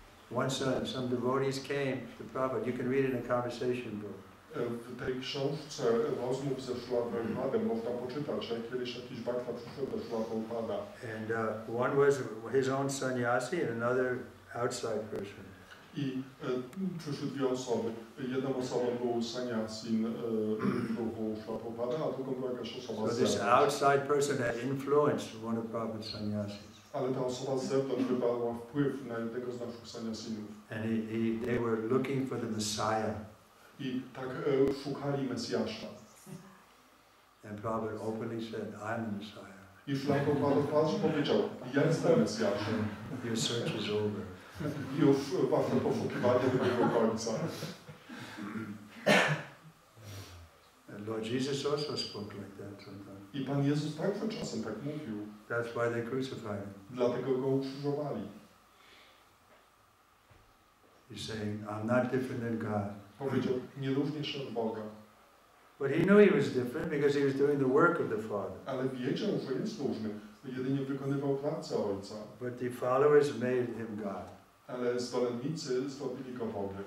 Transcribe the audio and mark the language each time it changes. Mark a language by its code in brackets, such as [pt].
[en] Once some devotees came to Prabhupada, you can read in a conversation book. [pl] W tej książce rozmów ze Szlapem można poczytać, że kiedyś jakiś bhakta przyszedł do Szlapa Upada. [en] And one was his own sannyasi and another outside person. [pl] I przyszły dwie osoby. Jedną osobą był sannyasin ruchu Szlapa Upada, a drugą była jakaś osoba z [en] zewnątrz. So this outside person had influenced one of Prabhupada's sannyasis. [pl] Ale ta osoba z zewnątrz wywarła wpływ na jednego z naszych sannyasinów. [en] And they were looking for the Messiah. [pl] I tak szukali Mesjasza. [en] And Prabhupada openly said, I'm the Messiah. [pl] I Prabhupada wprost powiedział, ja jestem Mesjaszem. [en] Your search is over. [pl] Już wasze poszukiwanie do jego końca. [en] And Lord Jesus also spoke like that sometimes. [pl] I Pan Jezus także czasem tak mówił. [en] That's why they crucified him. [pl] Dlatego go ukrzyżowali. [en] He's saying, I'm not different than God. [pl] Powiedział, nie różnię się od Boga. [en] But he knew he was different because he was doing the work of the Father. [pl] Ale wiedział, że jest różny. Jedynie wykonywał pracę Ojca. [en] But the followers made him God. [pl] Ale zwolennicy zrobili go Bogiem.